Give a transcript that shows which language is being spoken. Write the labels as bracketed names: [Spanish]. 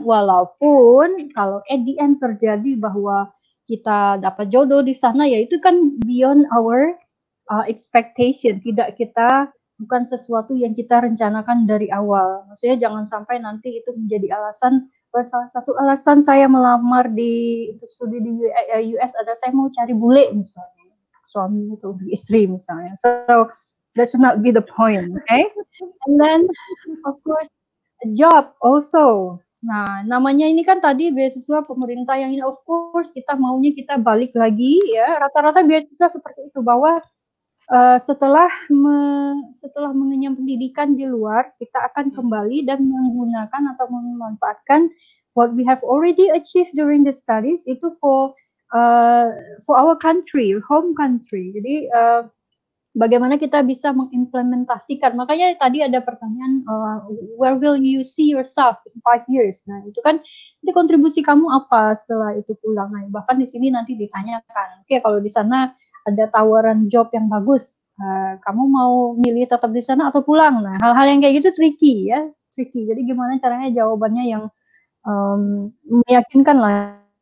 [Indonesian] Walaupun kalau [English] at the end [Indonesian] terjadi bahwa kita dapat jodoh di sana, ya itu kan [English] beyond our expectation. [Indonesian] Tidak kita, bukan sesuatu yang kita rencanakan dari awal. Maksudnya jangan sampai nanti itu menjadi alasan. Salah satu alasan saya melamar di untuk studi di US adalah saya mau cari bule misalnya, suami atau istri misalnya. [English] So that should not be the point, okay? And then of course job also. [Indonesian] Nah namanya ini kan tadi beasiswa pemerintah yang ini, [English] of course [Indonesian] kita maunya kita balik lagi ya. Rata-rata beasiswa seperti itu bahwa setelah mengenyam pendidikan di luar, kita akan kembali dan menggunakan atau memanfaatkan [English] what we have already achieved during the studies [Indonesian] itu [English] for our country, home country. [Indonesian] Jadi bagaimana kita bisa mengimplementasikan. Makanya tadi ada pertanyaan, [English] where will you see yourself in 5 years? [Indonesian] Nah itu kan, itu kontribusi kamu apa setelah itu pulang. Nah, bahkan di sini nanti ditanyakan, oke okay, kalau di sana ada tawaran job yang bagus, kamu mau milih tetap di sana atau pulang? Nah, hal-hal yang kayak gitu tricky ya, tricky. Jadi gimana caranya jawabannya yang meyakinkan lah.